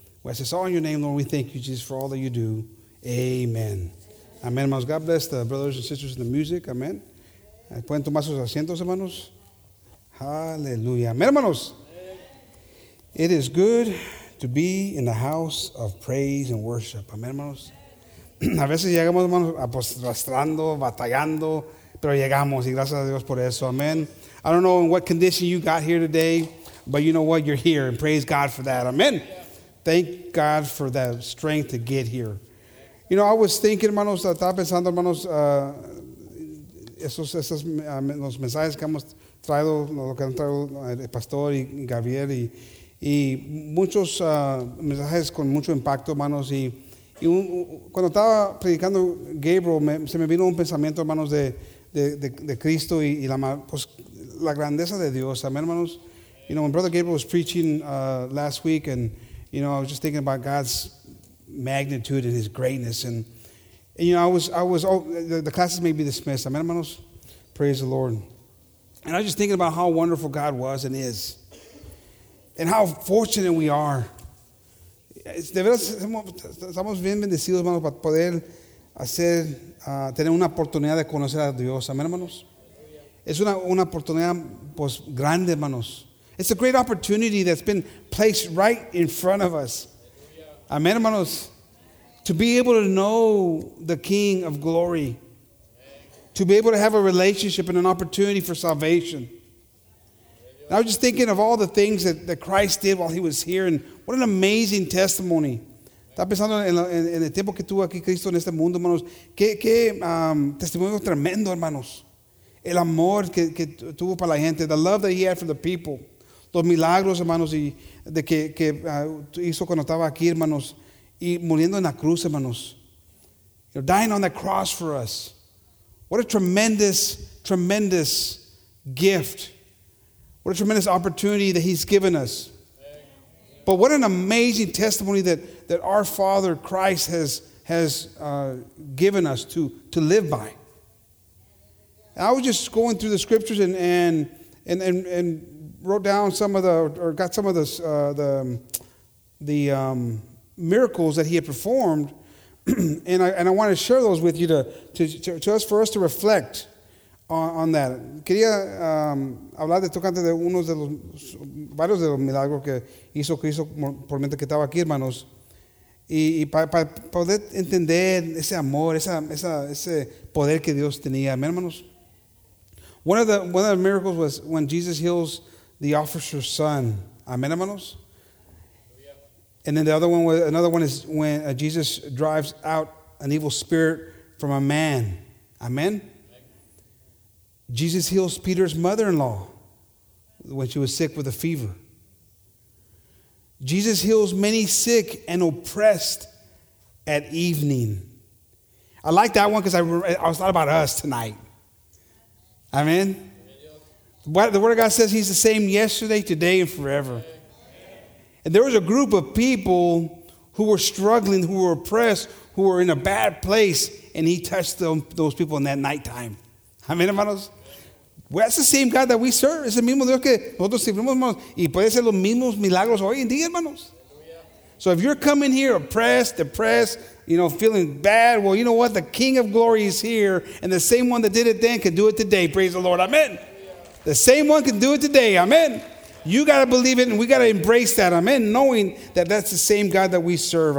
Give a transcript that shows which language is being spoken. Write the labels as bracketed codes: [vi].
[en] We ask this all in your name, Lord. We thank you, Jesus, for all that you do. Amen. Amen, hermanos. God bless the brothers and sisters in the music. [es] Amen. ¿Pueden tomar sus asientos, hermanos? Hallelujah. Amen, hermanos. [en] It is good to be in the house of praise and worship. [es] Amen, hermanos. A veces llegamos, hermanos, arrastrando, batallando, pero llegamos, y gracias a Dios por eso. Amen. [en] I don't know in what condition you got here today, but you know what? You're here, and praise God for that. Amen. Thank God for that strength to get here. You know, I was thinking, [es] hermanos, estaba pensando, hermanos, esos mensajes que hemos traído, lo que han traído el pastor y Gabriel, y muchos mensajes con mucho impacto, hermanos, y... Y cuando estaba predicando Gabriel, se me vino un pensamiento, hermanos, de Cristo y la grandeza de Dios. Amen, hermanos. [en] You know, when Brother Gabriel was preaching last week, and, you know, I was just thinking about God's magnitude and his greatness. And you know, the classes may be dismissed. Amen, hermanos. Praise the Lord. And I was just thinking about how wonderful God was and is, and how fortunate we are. [es] De veras, estamos bien bendecidos, hermanos, para poder tener una oportunidad de conocer a Dios. Amén, hermanos. Es una oportunidad, pues, grande, hermanos. [en] It's a great opportunity that's been placed right in front of us. Amén, hermanos. To be able to know the King of Glory. To be able to have a relationship and an opportunity for salvation. And I was just thinking of all the things that Christ did while he was here, and what an amazing testimony. [es] Estaba pensando en el tiempo que tuvo aquí Cristo en este mundo, hermanos. Qué testimonio tremendo, hermanos. El amor que tuvo para la gente. The love that he had for the people. Los milagros, hermanos, que hizo cuando estaba aquí, hermanos. Y muriendo en la cruz, hermanos. [en] You're dying on the cross for us. What a tremendous, tremendous gift. What a tremendous opportunity that he's given us. But what an amazing testimony that our Father Christ has given us to live by. And I was just going through the scriptures and wrote down some of the miracles that he had performed, and I want to share those with you to reflect on that. [es] Quería hablar de tocante de unos de los varios de los milagros que hizo Cristo por mientras que estaba aquí, hermanos, y para poder entender ese amor, ese poder que Dios tenía, hermanos. [en] One of the miracles was when Jesus heals the officer's son. Amen, hermanos. And then another one is when Jesus drives out an evil spirit from a man. Amen. Jesus heals Peter's mother-in-law when she was sick with a fever. Jesus heals many sick and oppressed at evening. I like that one because I was thought about us tonight. Amen? The Word of God says he's the same yesterday, today, and forever. And there was a group of people who were struggling, who were oppressed, who were in a bad place, and he touched those people in that nighttime. Amen, hermanos? Well, that's the same God that we serve. [es] Es el mismo Dios que nosotros servimos, hermanos. Y puede ser los mismos milagros hoy en día, hermanos. [en] So if you're coming here oppressed, depressed, you know, feeling bad, well, you know what? The King of Glory is here. And the same one that did it then can do it today. Praise the Lord. Amen. The same one can do it today. Amen. You got to believe it, and we got to embrace that. Amen. Knowing that that's the same God that we serve.